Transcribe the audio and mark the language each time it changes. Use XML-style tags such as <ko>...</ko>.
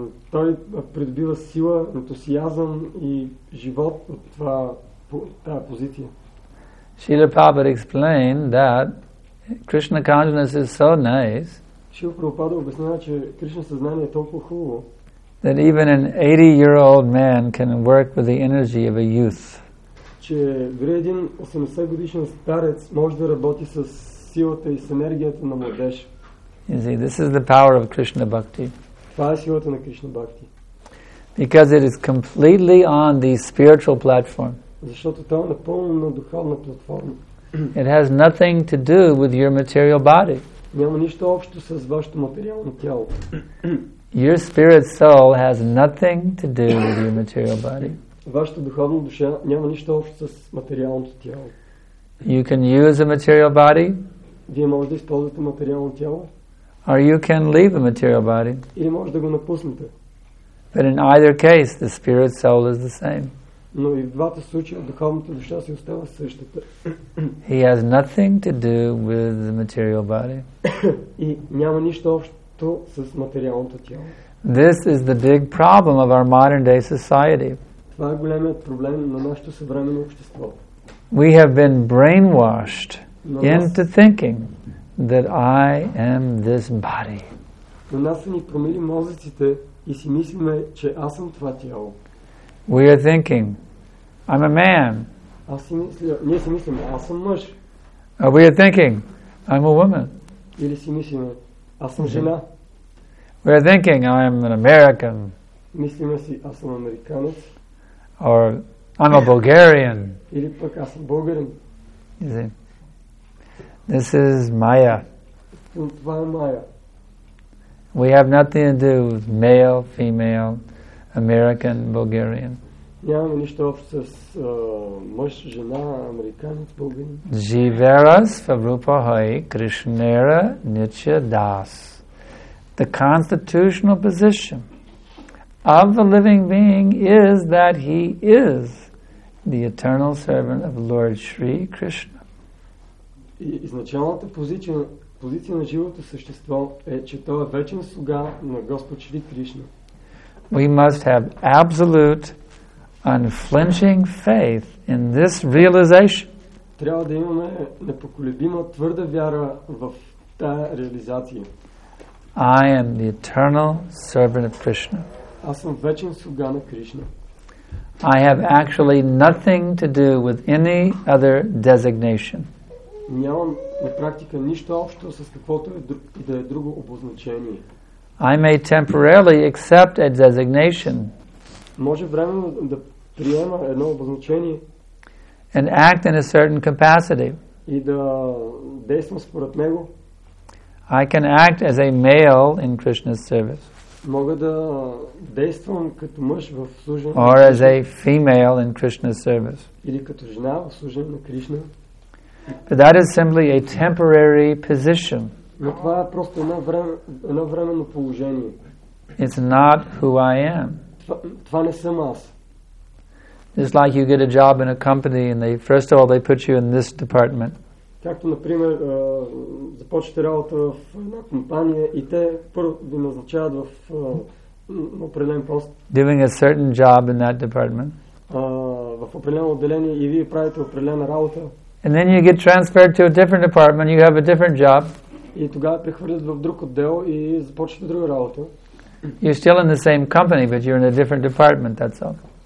<bg>Той придобива сила, ентусиазъм и живот от тази позиция.</bg> <en>Srila Prabhupada explained that Krishna consciousness is so nice.</en> <bg>Srila Prabhupada обяснява, че Кришна съзнание е толкова хубаво.</bg> <en>That even an 80-year-old man can work with the energy of a youth.</en> <bg>Че дори един 80-годишен старец може да работи с силата и с енергията на младеж.</bg> <en>You see, this is the power of Krishna Bhakti.</en> <bg>Това е силата на Кришна Бхакти.</bg> <en>Because it is completely on the spiritual platform.</en> <bg>Защото това е напълно на духовна платформа.</bg> <en>It has nothing to do with your material body.</en> <bg>Няма нищо общо с вашето материално тяло.</bg> <en>Your spirit soul has nothing to do with your material body.</en> <bg>Вашата духовна душа няма нищо общо с материалното тяло.</bg> <en>You can use a material body.</en> <bg>Вие може да използвате материално тяло.</bg> <en>Or you can leave a material body.</en> <bg>Или може да го напуснете.</bg> <en>But in either case, the spirit soul is the same.</en> <bg>Но и в двата случая духовната душа си остава същата.</bg> <en>He has nothing to do with the material body.</en> <bg>И няма нищо общо с материалното тяло.</bg> <en>This is the big problem of our modern day society.</en> <bg>Това е големият проблем на нашето съвременно общество.</bg> <en>We have been brainwashed into thinking that I am this body.</en> <bg>Но нас са ни промили мозъците и си мислиме, че аз съм това тяло.</bg> <en>We are thinking, I'm a man.</en> <bg>Ние си мислим, аз съм мъж.</bg> <en>We are thinking, I'm a woman.</en> <bg>Или си мислим, аз съм жена.</bg> <en>We are thinking, I'm an American.</en> <bg>Мислиме си, аз съм американец.</bg> <en>Or, I'm a Bulgarian.</en> <bg>Или пък, аз съм българин.</bg> <en>This is Maya.</en> <bg>Това е Maya.</bg> <en>We have nothing to do with male, female, American, Bulgarian.</en> <bg>Нямаме нищо общо с мъж, жена, американец, българин.</bg> <bn>Jivara Svarupa Hai Krishnera Nitya Das.</bn> <en>The constitutional position of the living being is that he is the eternal servant of Lord Sri Krishna.</en> <bg>Изначалната позиция на живото същество е, че той е вечен слуга на Господ Шри Кришна.</bg> <en>We must have absolute, unflinching faith in this realization.</en> <bg>Трябва да имаме непоколебима твърда вяра в тая реализация.</bg> <en>I am the eternal servant of Krishna.</en> <bg>Аз съм вечен слуга на Кришна.</bg> <en>I have actually nothing to do with any other designation.</en> <bg>Нямам на практика нищо общо с каквото и да е друго обозначение.</bg> <en>I may temporarily accept a designation.</en> <bg>Може временно да приема едно обозначение.</bg> <en>And act in a certain capacity.</en> <bg>И да действам според него.</bg> <en>I can act as a male in Krishna's service.</en> <bg>Мога да действам като мъж в служение.</bg> <en>Or as a female in Krishna's service.</en> <bg>Или като жена в служение на Кришна.</bg> <en>But that is simply a temporary position.</en> <bg>Но това е просто едно временно положение.</bg> <en>It's not who I am.</en> <bg>Това не съм аз.</bg> <en>It's like you get a job in a company and they first of all they put you in this department.</en> <bg>Както например, започвате работа в една компания и те първо ви назначават в определен пост.</bg> <en>Doing a certain job in that department.</en> <bg>В определено отделение и вие правите определена работа.</bg> <en>And then you get transferred to a different department, you have a different job.</en> <bg>И тогава прехвърлят в друг отдел и започвате друга работа.</bg> <en>You're still in the same company, but you're in a different department, that's all.</en>